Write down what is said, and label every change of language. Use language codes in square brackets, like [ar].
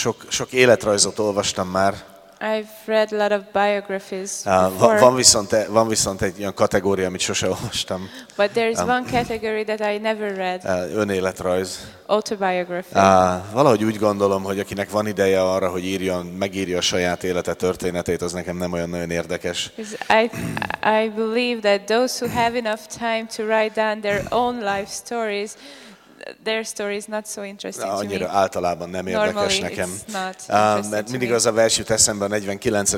[hu] Sok életrajzot olvastam már. [en] I've read a lot of biographies. [hu] Van viszont egy olyan kategória, amit sose olvastam. [en] But there is one category that I never read. [hu] Önéletrajz. [en] Autobiography. [hu] Valahogy úgy gondolom, hogy akinek van ideje arra, hogy megírja a saját élete történetét, az nekem nem olyan nagyon érdekes. [en] I believe that those who have enough time to write down their own life stories, their story is not so interesting to me. [hu] Annyira általában nem érdekes nekem. Mert mindig az a vers jut eszembe a 49.